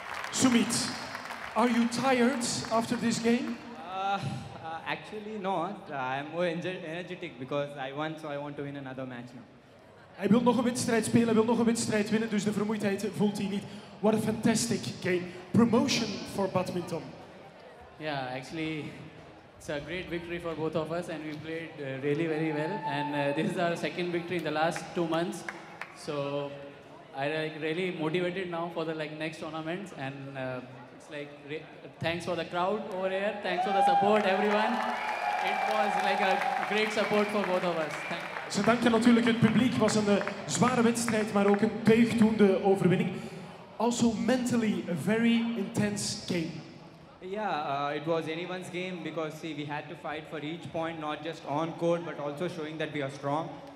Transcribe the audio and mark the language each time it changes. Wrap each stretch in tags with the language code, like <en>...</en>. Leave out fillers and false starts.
<en>Sumit, are you tired after this game? Actually not. I'm more energetic because I won, so I want to win another match now.</en> <nl>Hij wil nog een wedstrijd spelen, wil nog een wedstrijd winnen, dus de vermoeidheid voelt hij niet.</nl> <en>What a fantastic game. Promotion for badminton. Yeah, actually, it's a great victory for both of us, and we played really very well. And this is our second victory in the last 2 months. So I'm really motivated now for the next tournaments. And it's thanks for the crowd over here. Thanks for the support, everyone. It was a great support for both of us.</en> <nl>Ze danken natuurlijk het publiek. Het was een zware wedstrijd, maar ook een deugdoende overwinning.</nl> <en>Also mentally, a very intense game. Yeah, it was anyone's game because, see, we had to fight for each point, not just on court, but also showing that we are strong.</en>